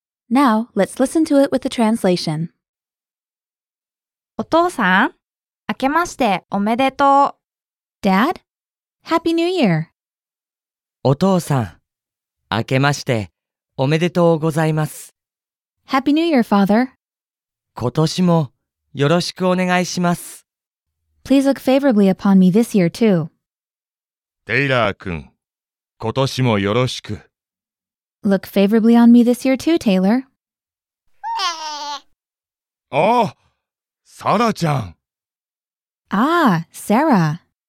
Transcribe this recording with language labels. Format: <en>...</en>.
<en>Now, let's listen to it with the translation.</en> <ja>お父さん、明けましておめでとう。</ja> <en>Dad, Happy New Year.</en> <ja>お父さん、明けましておめでとうございます。</ja> <en>Happy New Year, Father.</en> <ja>今年もよろしくお願いします。</ja> <en>Please look favorably upon me this year, too.</en> <ja>テイラー君。今年もよろしく。</ja> <en>Look favorably on me this year too, Taylor.</en> <ja>ああ、サラちゃん。ああ、サラ。</ja>